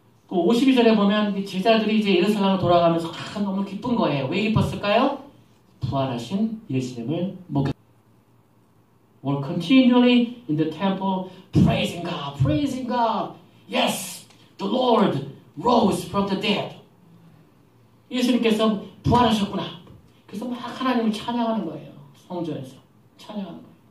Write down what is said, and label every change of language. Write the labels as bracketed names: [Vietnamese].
[Korean] 52절에 보면 제자들이 이제 예루살렘으로 돌아가면서 아, 너무 기쁜 거예요. 왜 기뻤을까요? 부활하신 예수님을 목격. [English] Were continually in the temple praising God, praising God. Yes, the Lord rose from the dead. [Korean] 예수님께서 부활하셨구나. 그래서 막 하나님을 찬양하는 거예요. 성전에서 찬양하는 거예요.